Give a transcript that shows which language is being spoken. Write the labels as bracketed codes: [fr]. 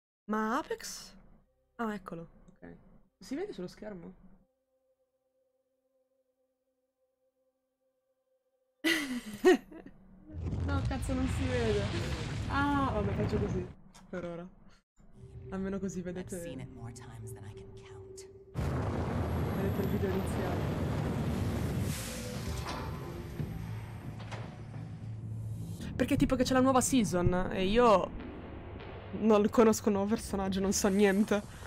[it] Ma Apex? Ah, eccolo. Ok. Si vede sullo schermo? No, cazzo, non si vede. Ah, vabbè, faccio così per ora. Almeno così [en] I've seen it more times than I can count. [it] vedete il video iniziale. Perché tipo che c'è la nuova season e io non conosco il nuovo personaggio, non so niente.